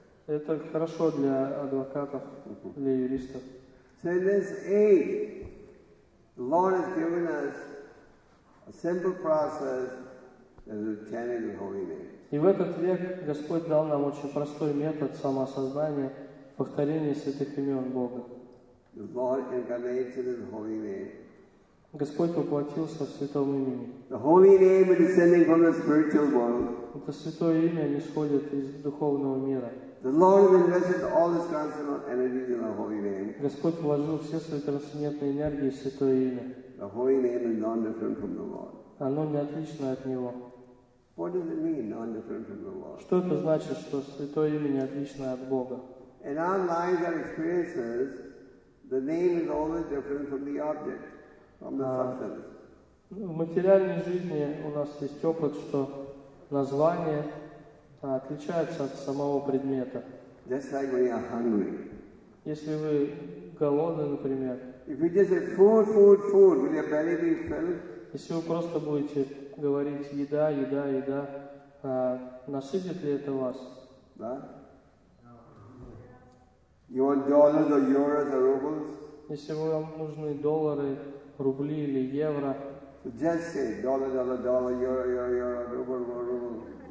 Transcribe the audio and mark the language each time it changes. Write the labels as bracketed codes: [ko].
[ru] Это хорошо для адвокатов, для юристов. [en] So in this age, the Lord has given us a simple process that is chanting the holy name. [ru] И в этот век Господь дал нам очень простой метод самоосознания, повторения святых имен Бога. [en] The Lord incarnated in the holy name. [ru] Господь воплотился в святом имени. [en] The holy name is descending from the spiritual world. [ru] Это святое имя нисходит из духовного мира. [en] The Lord has invested all His transcendental energies in the holy name. [ru] Господь вложил все свои трансцендентные энергии в святое имя. [en] The holy name is non-different from the Lord. [ru] Оно не отлично от него. [en] What does it mean, non-different from the Lord? [ru] Что это значит, что святое имя не отлично от Бога? [en] In our lives and experiences, the name is always different from the object, from the substance. [ru] В материальной жизни у нас есть опыт, что название отличается от самого предмета. [en] Just like when you are hungry. [ru] Если вы голодны, например. [en] If you just say food, food, food, will your belly be filled? [ru] Если вы просто будете говорить еда, еда, еда, насытит ли это вас? Да. [en] You want dollars or euros or rubles? [ru] Если вам нужны доллары, рубли или евро. [en] Just say dollar, dollar, dollar, euro, euro, euro, ruble, ruble, ruble.